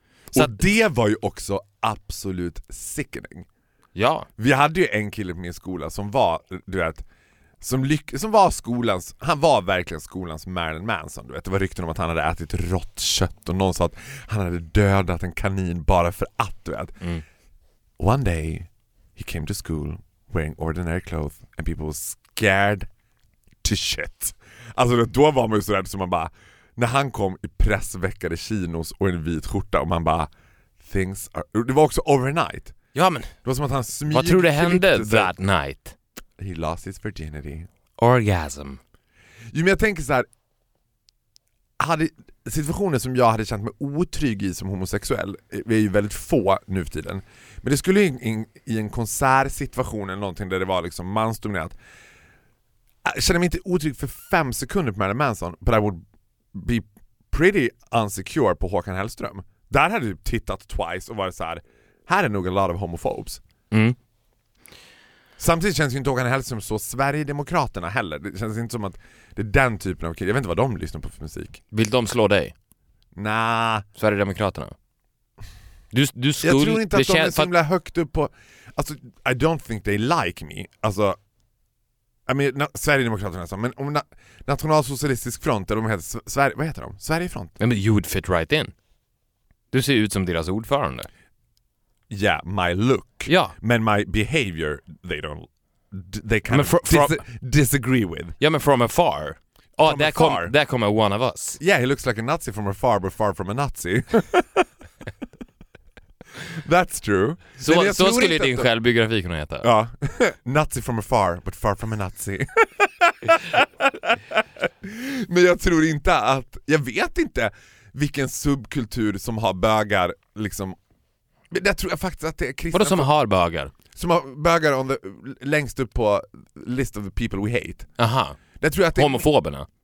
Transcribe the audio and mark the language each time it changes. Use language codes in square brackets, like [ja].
[sv] Så och att, det var ju också absolut sickening. Ja. Vi hade ju en kille på min skola som var, du vet, som var skolans, han var verkligen skolans Marilyn Manson, du vet. Det var rykten om att han hade ätit rått kött och någon sa att han hade dödat en kanin bara för att, du vet. Mm. [en] One day he came to school wearing ordinary clothes and people were scared to shit. [sv] Alltså då var man ju så rädd som man bara, när han kom i pressväckade chinos och en vit skjorta och man bara, [en] things are, [sv] det var också overnight. Ja, men det var som att han smyg, vad tror du hände [en] that night? He lost his virginity. Orgasm. [sv] Jo, men jag tänker så här. Hade situationer som jag hade känt mig otrygg i som homosexuell, vi är ju väldigt få nu för tiden. Men det skulle ju i en konsertsituation eller någonting där det var liksom mansdominerat. Jag kände mig inte otrygg för 5 sekunder på Marilyn Manson, [en] but I would be pretty insecure [sv] på Håkan Hellström. Där hade du tittat twice och varit så här, här är nog [en] a lot of homophobes. Mm. [sv] Samtidigt känns ju inte Håkan Hellström så Sverigedemokraterna heller. Det känns inte som att det är den typen av kille. Jag vet inte vad de lyssnar på för musik. Vill de slå dig? Nej. Nah. Sverigedemokraterna? Du jag tror inte att de är så högt upp på... Alltså, [en] I don't think they like me. [sv] Alltså, [en] I mean, [sv] Sverigedemokraterna är men om Nationalsocialistisk front, eller de heter Sverige, vad heter de? Sverigefront. Ja, men [en] you'd fit right in. [sv] Du ser ut som deras ordförande. [en] Yeah, my look. Yeah. Men my behavior, they kind men of disagree with. Yeah, men from afar. Oh, from there afar. There come one of us. Yeah, he looks like a Nazi from afar, but far from a Nazi. That's true. [sv] Så skulle din självbiografi kunna heta. Ja. [en] Nazi from afar, but far from a Nazi. [sv] Men jag tror inte att... Jag vet inte vilken subkultur som har bögar liksom... Men jag tror jag faktiskt att det är kristna. Vadå som har bögar? Som har bögar [en] on the, [sv] längst upp på [en] list of the people we hate. [sv] Aha. Jag tror att det, homofoberna?